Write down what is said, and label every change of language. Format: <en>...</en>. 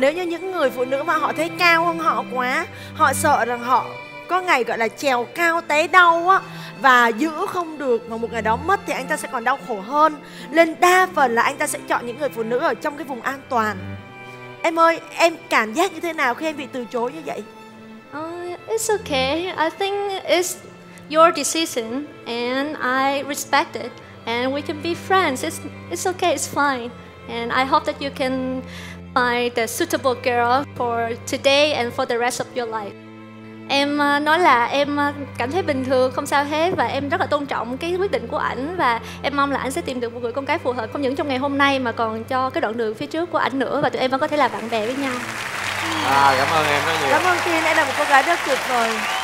<vi>Còn nếu như những người phụ nữ mà họ thấy cao hơn họ quá, họ sợ rằng họ có ngày gọi là trèo cao té đau á, và giữ không được mà một ngày đó mất thì anh ta sẽ còn đau khổ hơn. Nên đa phần là anh ta sẽ chọn những người phụ nữ ở trong cái vùng an toàn. Em ơi, em cảm giác như thế nào khi em bị từ chối như vậy?</vi> <en>It's okay. I think it's your decision and I respect it and we can be friends. It's okay, it's fine. And I hope that you can find the suitable girl for today and for the rest of your life.</en> <vi>Em nói là em cảm thấy bình thường, không sao hết và em rất là tôn trọng cái quyết định của ảnh và em mong là ảnh sẽ tìm được một người con gái phù hợp không những trong ngày hôm nay mà còn cho cái đoạn đường phía trước của ảnh nữa và tụi em vẫn có thể là bạn bè với nhau. À, cảm ơn em rất nhiều. Cảm ơn Tiên, em là một cô gái rất tuyệt vời.</vi>